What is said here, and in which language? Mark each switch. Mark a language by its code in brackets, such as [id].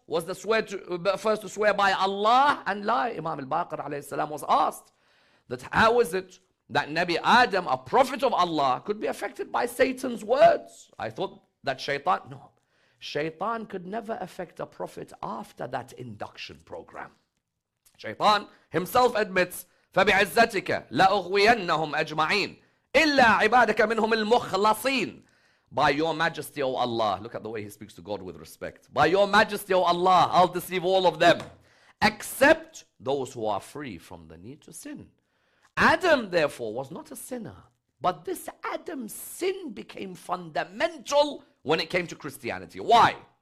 [en] Was the swear to first to swear by Allah and lie. Imam al-Baqir alayhi salam was asked that how is it that Nabi Adam, a prophet of Allah, could be affected by Satan's words? I thought that Shaytan, no. Shaytan could never affect a prophet after that induction program. Shaytan himself admits, [ar] فَبِعِزَّتِكَ لَأُغْوِيَنَّهُمْ أَجْمَعِينَ إِلَّا عِبَادَكَ مِنْهُمْ الْمُخْلَصِينَ. [en] By your majesty, O Allah. Look at the way he speaks to God with respect. By your majesty, O Allah, I'll deceive all of them. Except those who are free from the need to sin. Adam, therefore, was not a sinner. But this Adam's sin became fundamental when it came to Christianity. Why?